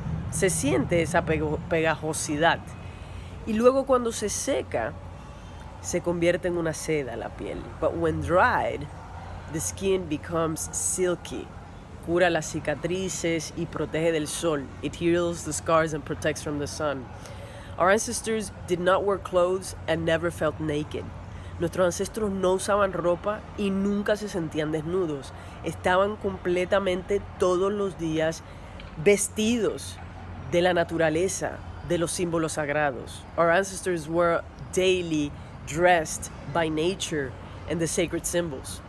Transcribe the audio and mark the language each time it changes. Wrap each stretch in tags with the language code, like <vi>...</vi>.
<es>Se siente esa pegajosidad. Y luego cuando se seca, se convierte en una seda la piel.</es> <en>But when dried, the skin becomes silky.</en> <es>Cura las cicatrices y protege del sol.</es> <en>It heals the scars and protects from the sun. Our ancestors did not wear clothes and never felt naked.</en> <es>Nuestros ancestros no usaban ropa y nunca se sentían desnudos. Estaban completamente todos los días vestidos de la naturaleza, de los símbolos sagrados.</es> <en>Our ancestors were daily dressed by nature and the sacred symbols.</en>